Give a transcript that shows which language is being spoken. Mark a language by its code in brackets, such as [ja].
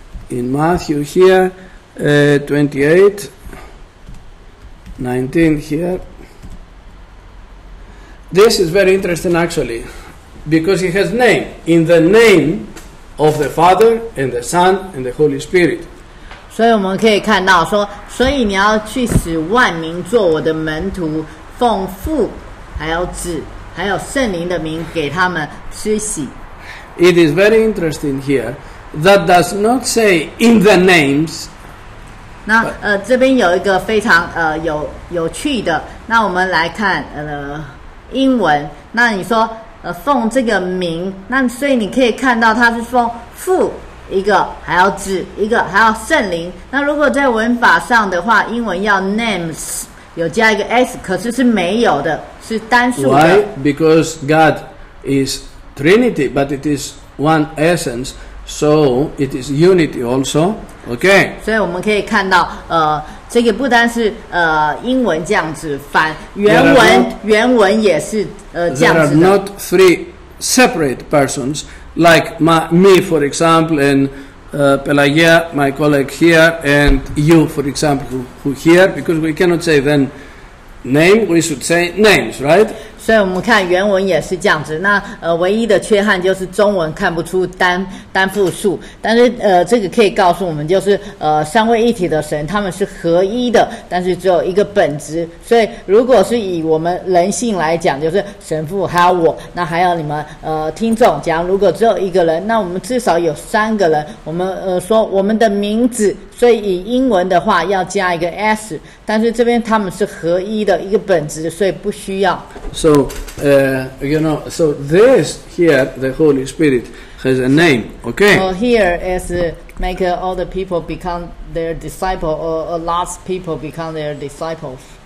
[en] In Matthew here, 28:19 here. This is very interesting actually, because he has name, in the name of the Father and the Son and the Holy Spirit. [zh] 所以我们可以看到说，所以你要去使万民做我的门徒，奉父还有子还有圣灵的名给他们施洗。 [en] It is very interesting here that does not say in the names. [zh] 那这边有一个非常有趣的，那我们来看英文。那你说奉这个名，那所以你可以看到他是奉父一个，还要指一个，还要圣灵。那如果在文法上的话，英文要 names 有加一个 s， 可是是没有的，是单数的。 [en] Why? Because God is Trinity, but it is one essence, so it is unity also. Okay. [zh] 所以我们可以看到，这个不单是英文这样子翻，原文也是这样子的。 [en] There are not three separate persons. Like me, for example, and Pelagia, my colleague here, and you, for example, who here, because we cannot say then name, we should say names, right? So we look at [zh] 原文也是这样子。那唯一的缺憾就是中文看不出单复数。但是这个可以告诉我们，就是三位一体的神，他们是合一的，但是只有一个本质。所以如果是以我们人性来讲，就是神父还有我，那还有你们听众。假如果只有一个人，那我们至少有三个人。我们说我们的名字，所以以英文的话要加一个 s。但是这边他们是合一的一个本质，所以不需要。 [en] So, you know, so this here, the Holy Spirit has a name, okay? Well, here is make all the people become their disciple, or a lot of people become their disciples.